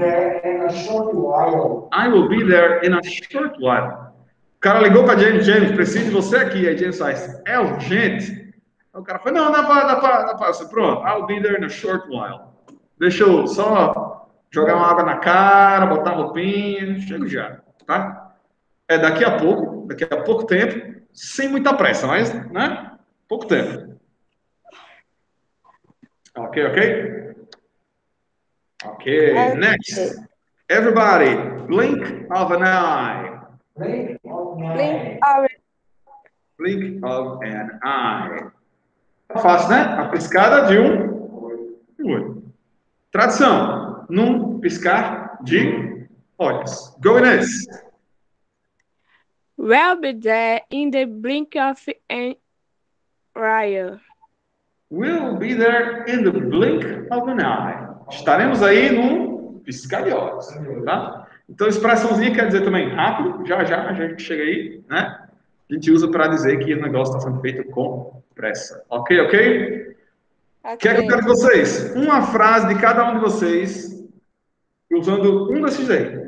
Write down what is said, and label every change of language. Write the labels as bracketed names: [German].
[English] I will be there in a short while. I will be there in a short while. [Portuguese] O cara ligou para James. James, preciso de você aqui. Aí James faz, é urgente. Aí o cara foi, não, dá pra. [English] Pronto, I'll be there in a short while. [Portuguese] Deixa eu só jogar uma água na cara, botar roupinha. Chego já, tá? É daqui a pouco tempo, sem muita pressa, mas, né? Pouco tempo. [English] Ok. Okay, next. Everybody, blink of an eye. Blink of an eye. Blink of an eye. [Portuguese] É fácil, né? A piscada de um olho. Tradição, num piscar de olhos. Go, Inês. [English] We'll be there in the blink of an eye. We'll be there in the blink of an eye. [Portuguese] Estaremos aí num piscar de olhos, tá? Então, expressãozinha quer dizer também rápido, já a gente chega aí, né? A gente usa para dizer que o negócio está sendo feito com pressa. Ok? O que é que eu quero de vocês? Uma frase de cada um de vocês, usando um desses aí.